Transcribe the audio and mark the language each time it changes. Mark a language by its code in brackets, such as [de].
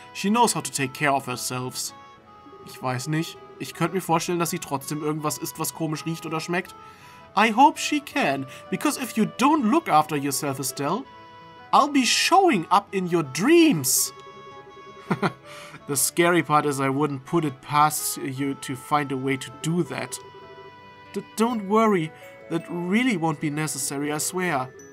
[en] She knows how to take care of herself. [de] Ich weiß nicht. Ich könnte mir vorstellen, dass sie trotzdem irgendwas isst, was komisch riecht oder schmeckt. [en] I hope she can, because if you don't look after yourself, Estelle, I'll be showing up in your dreams. The scary part is I wouldn't put it past you to find a way to do that. Don't worry, that really won't be necessary, I swear.